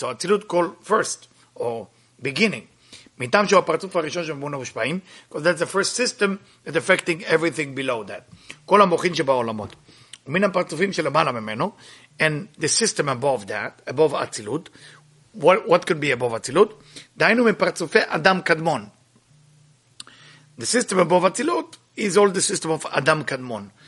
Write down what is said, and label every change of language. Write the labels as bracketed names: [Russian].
[English] So atzilut called first or beginning. [Hebrew] מטעם שהוא הפרצוף הראשון שמבונו משפעים, [English] because that's the first system that affecting everything below that. [Hebrew] כל המוחין שבעולמות. ומן הפרצופים שלמעלה ממנו, [English] and the system above that, above אצילות, what could be above אצילות? [Hebrew] דיינו מפרצופי אדם קדמון. [English] The system above אצילות is all the system of אדם קדמון.